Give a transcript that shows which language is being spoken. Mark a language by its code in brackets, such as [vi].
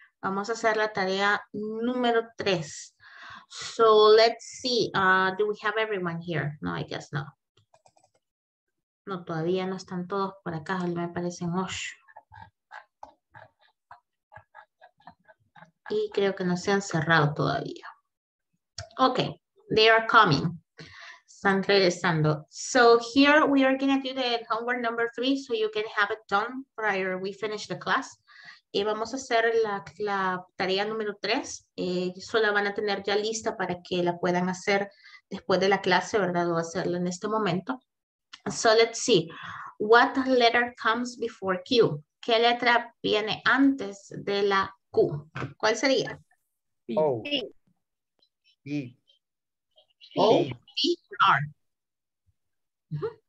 [es] Vamos a hacer la tarea número 3. [en] So let's see, do we have everyone here? No, I guess not. [es] No, todavía no están todos por acá, solo me parecen 8. Y creo que no se han cerrado todavía. [en] Ok, they are coming. [es] Están regresando. [en] So here we are going to do the homework number 3 so you can have it done prior we finish the class. [es] Y vamos a hacer la tarea número 3. Solo van a tener ya lista para que la puedan hacer después de la clase, ¿verdad? O hacerlo en este momento. [en] So let's see, what letter comes before Q? [es] ¿Qué letra viene antes de la Q? ¿Cuál sería? O. P. O. P. R.